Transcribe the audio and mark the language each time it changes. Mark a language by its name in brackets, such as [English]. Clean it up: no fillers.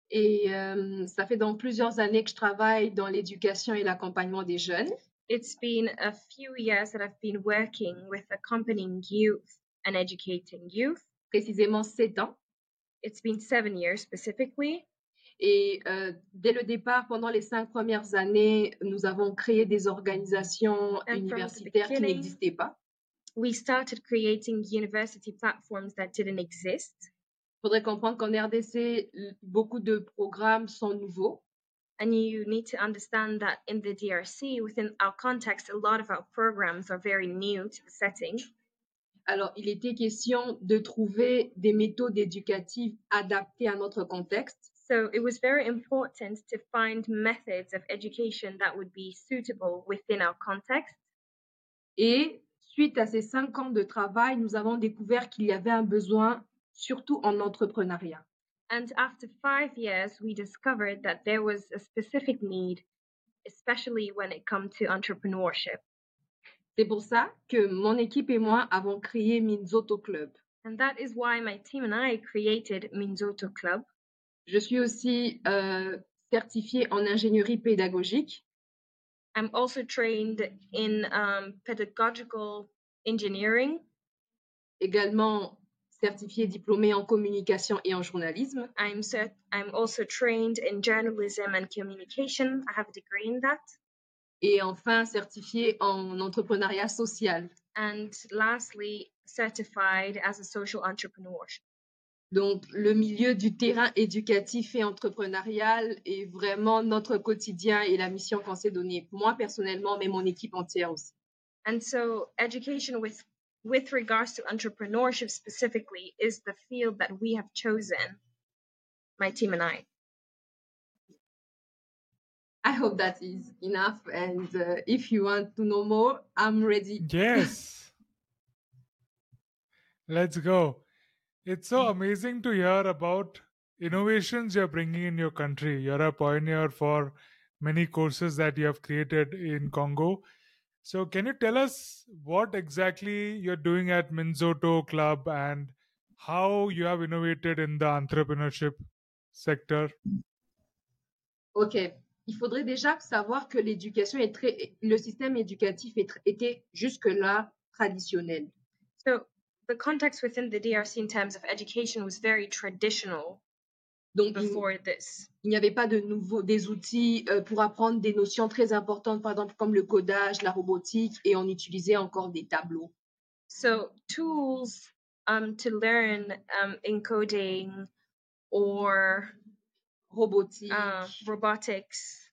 [French] Et ça fait donc plusieurs années que je travaille dans l'éducation et l'accompagnement des jeunes. [English] It's been a few years that I've been working with accompanying youth and educating youth. [French] Précisément 7 ans. [English] It's been 7 years specifically. [French] Et dès le départ, pendant les 5 premières années, nous avons créé des organisations universitaires qui n'existaient pas. [English] We started creating university platforms that didn't exist. [French] Il faudrait comprendre qu'en RDC, beaucoup de programmes sont nouveaux. [English] And you need to understand that in the DRC, within our context, a lot of our programs are very new to the setting. [French] Alors, il était question de trouver des méthodes éducatives adaptées à notre contexte. [English] So it was very important to find methods of education that would be suitable within our context. [French] Et suite à ces 5 ans de travail, nous avons découvert qu'il y avait un besoin, surtout en entrepreneuriat. [English] And after 5 years, we discovered that there was a specific need, especially when it comes to entrepreneurship. [French] C'est pour ça que mon équipe et moi avons créé Minzoto Club. [English] And that is why my team and I created Minzoto Club. [French] Je suis aussi certifiée en ingénierie pédagogique. [English] I'm also trained in pedagogical engineering. [French] Également certifiée diplômée en communication et en journalisme. [English] I'm also trained in journalism and communication. I have a degree in that. [French] Et enfin, certifiée en entrepreneuriat social. [English] And lastly, certified as a social entrepreneur. [French] Donc, le milieu du terrain éducatif et entrepreneurial est vraiment notre quotidien et la mission qu'on s'est donnée, moi personnellement, mais mon équipe entière aussi. [English] And so, education with regards to entrepreneurship specifically is the field that we have chosen, my team and I. I hope that is enough. And if you want to know more, I'm ready. Yes. Let's go. It's so amazing to hear about innovations you're bringing in your country. You're a pioneer for many courses that you have created in Congo. So can you tell us what exactly you're doing at Minzoto Club and how you have innovated in the entrepreneurship sector? Okay. [French] Il faudrait déjà savoir que l'éducation est très, le système éducatif était jusque-là traditionnelle. [English] So the context within the DRC in terms of education was very traditional. [French] Donc, [English] before this, [French] il n'y avait pas de nouveaux des outils pour apprendre des notions très importantes, par exemple comme le codage, la robotique, et on utilisait encore des tableaux. [English] So tools to learn encoding or robotics,